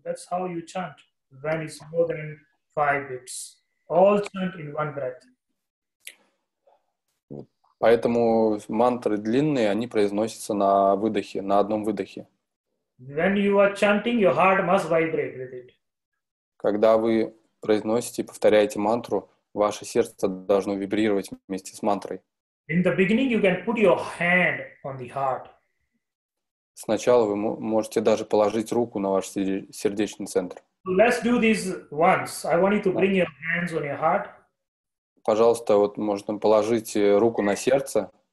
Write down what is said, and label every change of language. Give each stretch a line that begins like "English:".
English: How you chant when it's more than 5 beats. All chant in one breath.
Russian: Поэтому мантры длинные, они произносятся на выдохе, на одном выдохе.
English: When you are chanting, your heart must vibrate with it.
Russian: Когда вы произносите и повторяете мантру, ваше сердце должно вибрировать вместе с мантрой.
English: In the beginning, you can put your hand on the heart.
Russian: Сначала вы можете даже положить руку на ваш сердечный центр.
English: Let's do this once. I want you to bring your hands on your heart.
Russian: Пожалуйста, вот можно положить руку на сердце.